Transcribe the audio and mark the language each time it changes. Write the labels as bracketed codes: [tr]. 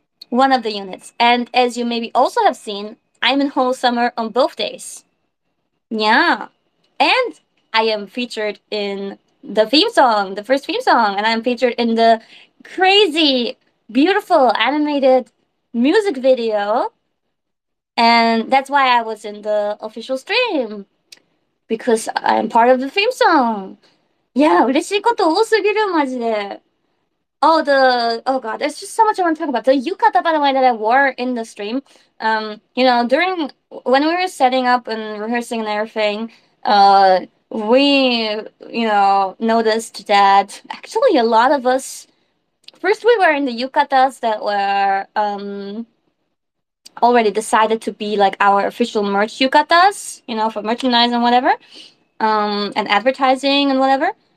[en] One of the units, and as you maybe also have seen, I'm in whole summer on both days. Yeah. And I am featured in the theme song, the first theme song, and I'm featured in the crazy, beautiful animated music video. And that's why I was in the official stream, because I'm part of the theme song. Yeah, [ja] 嬉しいこと多すぎる、マジで。 [en] Oh God, there's just so much I want to talk about. The yukata, by the way, that I wore in the stream. During when we were setting up and rehearsing and everything, we noticed that actually a lot of us, first we were in the yukatas that were already decided to be like our official merch yukatas, for merchandise and whatever, and advertising and whatever.